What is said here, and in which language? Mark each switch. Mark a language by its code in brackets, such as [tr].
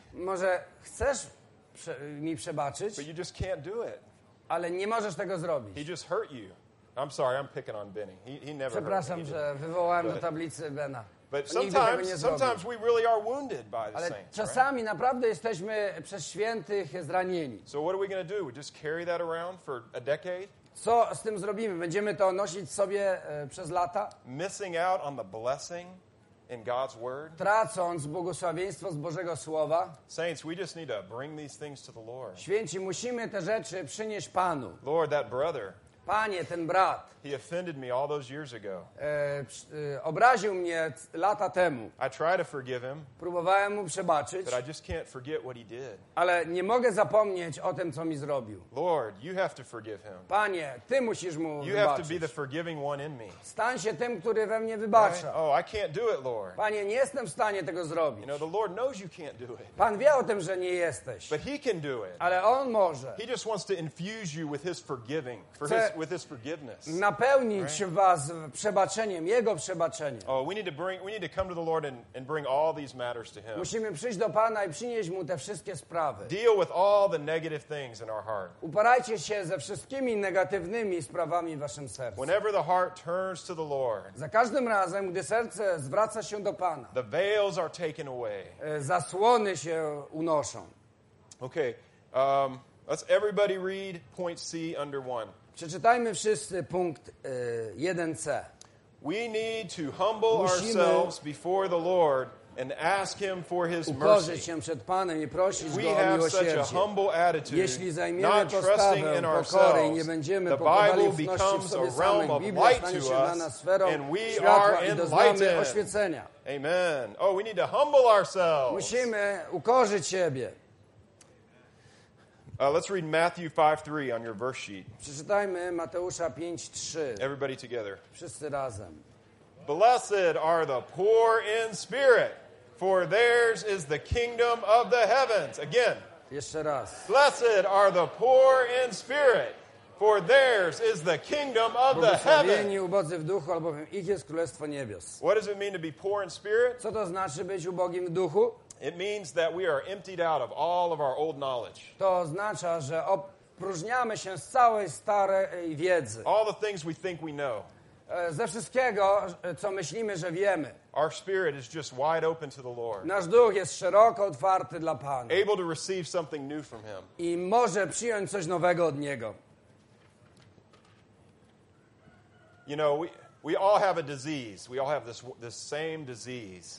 [pl] Może chcesz mi przebaczyć. [en] But you just can't do it. [pl] Ale nie możesz tego zrobić. [en] He just hurt you. I'm sorry, I'm picking on Benny. He never [pl] Przepraszam, [en] hurt [pl] że wywołałem do tablicy Bena. [en] But sometimes we really are wounded by the saints. [pl] Czasami naprawdę jesteśmy przez świętych zranieni. [en] So what are we going to do? We just carry that around for a decade? [pl] Co z tym zrobimy? Będziemy to nosić sobie przez lata? [en] Missing out on the blessing in God's word? [pl] Tracąc błogosławieństwo z Bożego słowa? [en] Saints, we just need to bring these things to the Lord. [pl] Święci, musimy te rzeczy przynieść Panu. [en] Lord, that brother. [pl] Panie, ten brat. [en] He offended me all those years ago. [pl] Obraził mnie lata temu. [en] I try to forgive him. [pl] Próbowałem mu przebaczyć. [en] But I just can't forget what he did. [pl] Ale nie mogę zapomnieć o tym, co mi zrobił. [en] Lord, you have to forgive him. [pl] Panie, ty musisz mu [en] you [pl] wybaczyć. [en] Have to be the forgiving one in me. [pl] Stań się tym, który we mnie wybacza. [en] Right? Oh, I can't do it, Lord. [pl] Panie, nie jestem w stanie tego zrobić. [en] You know, the Lord knows you can't do it. [pl] Pan wie o tym, że nie jesteś. [en] But he can do it. [pl] Ale on może. [en] He just wants to infuse you with his forgiving. With his forgiveness. [pl] Napełnić was przebaczeniem, jego przebaczeniem. [en] Oh, we need to come to the Lord and bring all these matters to him. [pl] Musimy przyjść do Pana i przynieść mu te wszystkie sprawy. [en] Deal with all the negative things in our heart. [pl] Uporajcie się ze wszystkimi negatywnymi sprawami w waszym sercu. [en] Whenever the heart turns to the Lord. [pl] Za każdym razem, gdy serce zwraca się do Pana. [en] The veils are taken away. [pl] Zasłony się unoszą. [en] Okay. Let's everybody read point C under one. [pl] Przeczytajmy wszyscy punkt 1c. [en] We need to humble ourselves before the Lord and ask him for his mercy. [pl] Upoznać się przed Panem i prosić go o miłosierdzie. [en] We have such a humble attitude. [pl] Jeśli zajmiemy postawę pokory i nie będziemy pokorali ufności w sobie samych, Biblia stanie się dla nas sferą światła i doznamy oświecenia. [en] Amen. Oh, we need to humble ourselves. [pl] Musimy ukorzyć siebie. [en] Let's read Matthew 5:3 on your verse sheet. [pl] Przeczytajmy Mateusza 5:3. [en] Everybody together. [pl] Wszyscy razem. [en] Blessed are the poor in spirit, for theirs is the kingdom of the heavens. Again. [pl] Jeszcze raz. [en] Blessed are the poor in spirit, for theirs is the kingdom of the heavens. [pl] Błogosławieni ubodzy w duchu, albowiem ich jest królestwo niebios. [en] What does it mean to be poor in spirit? [pl] Co to znaczy być ubogim w duchu? [en] It means that we are emptied out of all of our old knowledge. [pl] To oznacza, że opróżniamy się z całej starej wiedzy. [en] All the things we think we know. [pl] Ze wszystkiego, co myślimy, że wiemy. [en] Our spirit is just wide open to the Lord. [pl] Nasz duch jest szeroko otwarty dla Pana. [en] Able to receive something new from him. [pl] I może przyjąć coś nowego od niego. [en] You know, We all have a disease. We all have this same disease.